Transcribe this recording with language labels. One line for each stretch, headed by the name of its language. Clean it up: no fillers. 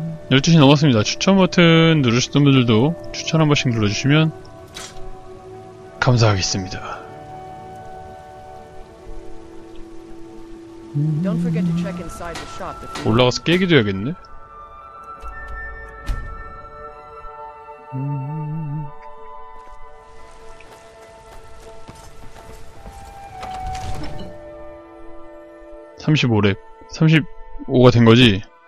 Korean: 12시 넘었습니다. 추천 버튼 누르셨던 분들도 추천 한 번씩 눌러주시면 감사하겠습니다.
English: Don't forget to check inside the shop before...
Korean: 올라가서 깨기도 해야겠네? 35렙. 35가 된 거지?